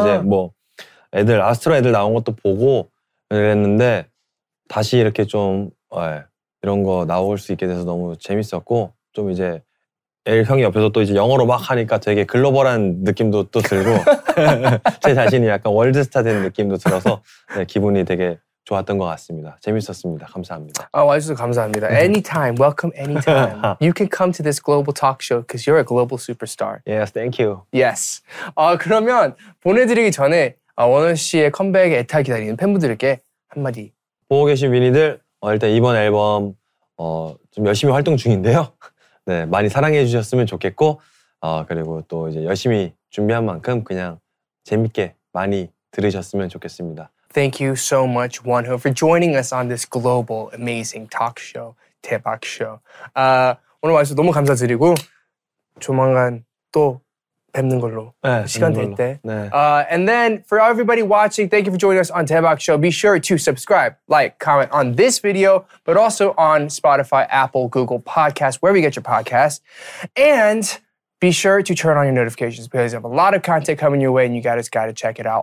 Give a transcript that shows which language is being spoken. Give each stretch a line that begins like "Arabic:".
Korean: 이제 뭐 애들 아스트라 애들 나온 것도 보고 그랬는데 다시 이렇게 좀 네, 이런 거 나올 수 있게 돼서 너무 재밌었고 좀 이제 L 형이 옆에서 또 이제 영어로 막 하니까 되게 글로벌한 느낌도 또 들고 제 자신이 약간 월드스타 된 느낌도 들어서 네, 기분이 되게 좋았던 것 같습니다. 재밌었습니다. 감사합니다. 아, 와주셔서 감사합니다.
English: Anytime, welcome anytime. You can come to this global talk show because you're a global superstar. Yes, thank you. Yes.
Korean: 아, 그러면 보내드리기 전에 아, 원호 씨의 컴백 애타 기다리는 팬분들께 한마디. 보고 계신 위니들, 어, 일단 이번 앨범 어, 좀 열심히 활동 중인데요. 네, 많이 사랑해 주셨으면 좋겠고 어, 그리고 또 이제 열심히 준비한 만큼 그냥 재밌게 많이 들으셨으면 좋겠습니다.
English: Thank you so much, Wonho, for joining us on this global amazing talk show, 대박 쇼.
Korean: 아, 오늘 와주셔서 너무 감사드리고 조만간 또 뵙는 걸로 네, 시간 될 때. 네.
English: And then for everybody watching, thank you for joining us on 대박 쇼. Be sure to subscribe, like, comment on this video, but also on Spotify, Apple, Google Podcasts, wherever you get your podcasts. And be sure to turn on your notifications because you have a lot of content coming your way and you guys got to check it out.